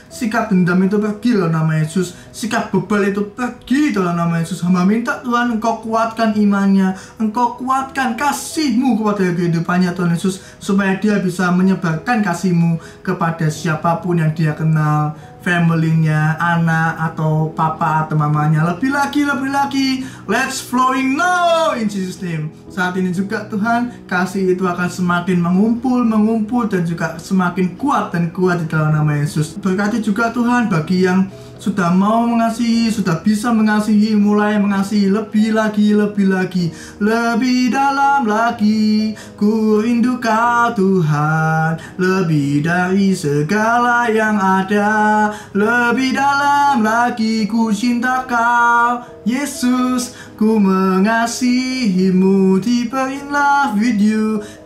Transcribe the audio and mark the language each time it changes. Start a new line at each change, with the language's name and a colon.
Indonesian: Sikap dendam itu pergi dalam nama Yesus. Sikap bebal itu pergi dalam nama Yesus. Hamba minta Tuhan, engkau kuatkan imannya, engkau kuatkan kasihmu kepada kehidupannya Tuhan Yesus, supaya dia bisa menyebarkan kasihmu kepada siapapun yang dia kenal, family-nya, anak atau papa atau mamanya. Lebih lagi.
English: Let's flowing now in Jesus name.
Indonesian: Saat ini juga Tuhan, kasih itu akan semakin mengumpul dan juga semakin kuat dan kuat di dalam nama Yesus. Berkati juga Tuhan bagi yang sudah mau mengasihi, sudah bisa mengasihi, mulai mengasihi lebih lagi. Lebih dalam lagi, ku rindu kau Tuhan. Lebih dari segala yang ada, lebih dalam lagi ku cinta kau Yesus. Ku mengasihimu,
English: deeper in love with you.